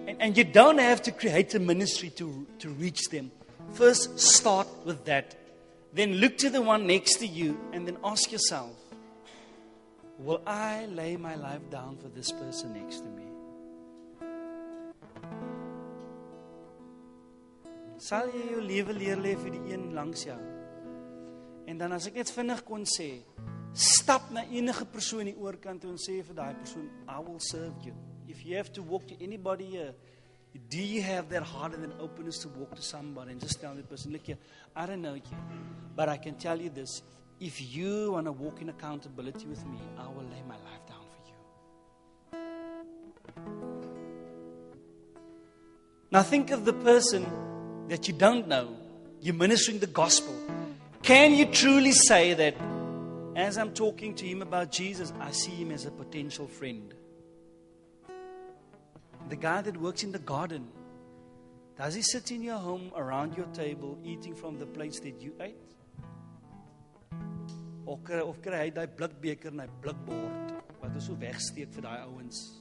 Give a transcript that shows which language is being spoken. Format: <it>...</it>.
<en>And you don't have to create a ministry to reach them. First, start with that. Then look to the one next to you and then ask yourself, will I lay my life down for this person next to me?</en> <af>Sal jy jou lewe leer lê vir die een langs jou? En dan as ek net vinnig kon sê, stap na enige persoon die oorkant toe en sê vir daai persoon, I will serve you.</af> <en>If you have to walk to anybody here, do you have that heart and an openness to walk to somebody and just tell the person, look here, I don't know you, but I can tell you this. If you want to walk in accountability with me, I will lay my life down for you. Now think of the person that you don't know. You're ministering the gospel. Can you truly say that as I'm talking to him about Jesus, I see him as a potential friend? The guy that works in the garden, does he sit in your home around your table eating from the plates that you ate?</en> <af>Of kry hy die blikbeker en die blikbord wat ons so wegsteek vir die ouens?</af>